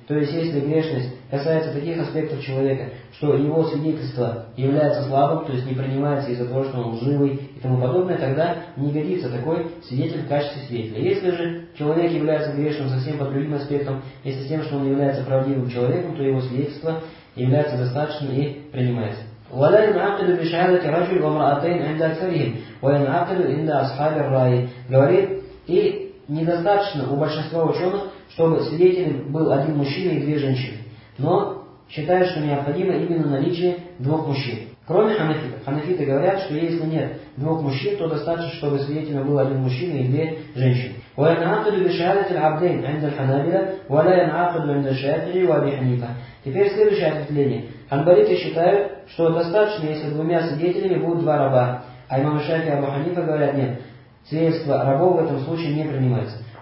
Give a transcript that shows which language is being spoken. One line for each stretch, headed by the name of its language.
Russian: То есть, если грешность касается таких аспектов человека, что его свидетельство является слабым, то есть не принимается из-за того, что он лживый и тому подобное, тогда не годится такой свидетель в качестве свидетеля. Если же человек является грешным совсем под другим аспектом, если тем, что он является правдивым человеком, то его свидетельство является достаточным и принимается.
Arabic: ولا ينعقد بشهادة رجل ومرأتين عند أكثرهم وينعقد عند أصحاب الرأي.
Russian: Говорит, и недостаточно у большинства ученых, чтобы свидетелем был один мужчина и две женщины. Но считают, что необходимо именно наличие двух мужчин. Кроме ханафитов. Ханафиты говорят, что если нет двух мужчин, то достаточно, чтобы свидетелем был один мужчина и две женщины.
Arabic: وينعقد بشهادة العبدين عند الحنابلة ولا ينعقد عند الشافعي وأبي حنيفة.
Russian: Теперь следующее ответвление. Ханбалиты считают, что достаточно, если двумя свидетелями будут два раба. А имам Шафии и Абу Ханифа говорят, нет, свидетельство рабов в этом случае не принимается.